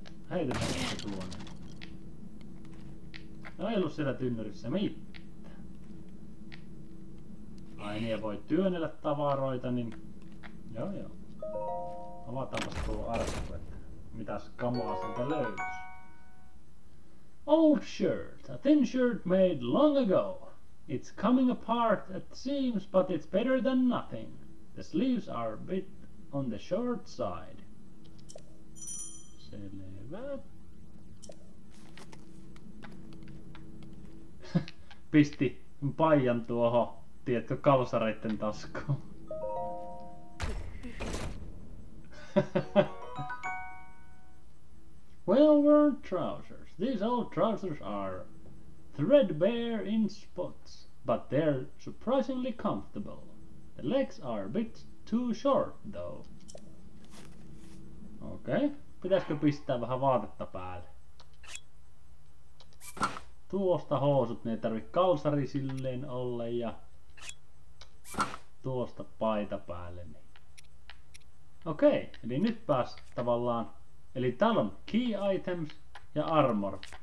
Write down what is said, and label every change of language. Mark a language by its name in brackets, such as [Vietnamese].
[Finnish] Heitetään se tuonne. No ei ollut siellä tynnyrissä mitään. Ai niin, voi työnnellä tavaroita, niin... Joo. Avataanpas tuo arkku, että mitäs kamaa sieltä löytyy. [English] Old shirt, a thin shirt made long ago. It's coming apart at the seams, but it's better than nothing. The sleeves are a bit on the short side. [Finnish] Selvä. Pisti paijan tuohon, tiedätkö, kalsareitten taskuun. [English] Well-worn trousers. These old trousers are threadbare in spots, but they're surprisingly comfortable. The legs are a bit too short, though. [Finnish] Okei, okay. Pitäisikö pistää vähän vaatetta päälle? Tuosta housut, ne ei tarvi kalsari silleen olla, ja tuosta paita päälle. Niin. Okei, okay. Eli nyt pääs tavallaan, eli täällä on key items. Ja armor.